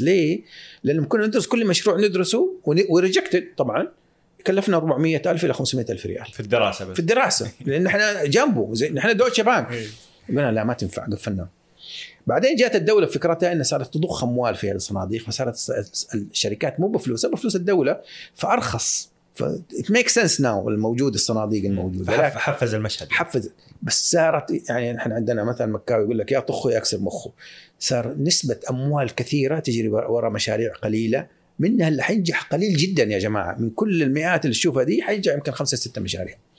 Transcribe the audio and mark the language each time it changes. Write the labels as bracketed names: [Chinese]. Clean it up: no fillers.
[Arabic] ليه؟ لأنه كنا ندرس كل مشروع ندرسه ورجكتد طبعاً، كلفنا 400 ألف إلى 500 ألف ريال في الدراسة بس. في الدراسة، لأن إحنا جنبه زي إحنا دوتش بانك. قلنا لا ما تنفع، قفلنا. بعدين جاءت الدولة فكرتها إن صارت تضخ أموال في الصناديق، فصارت الشركات مو بفلوسها، بفلوس الدولة، فأرخص. [English] It makes sense now [Arabic] الموجود الصناديق الموجودة حفز المشهد حفز بس صارت يعني نحن عندنا مثلا مكاوي يقول لك يا طخه يا اكسر مخه صار نسبة أموال كثيرة تجري وراء مشاريع قليلة منها اللي حينجح قليل جدا يا جماعة من كل المئات اللي تشوفها دي حينجح يمكن 5-6 مشاريع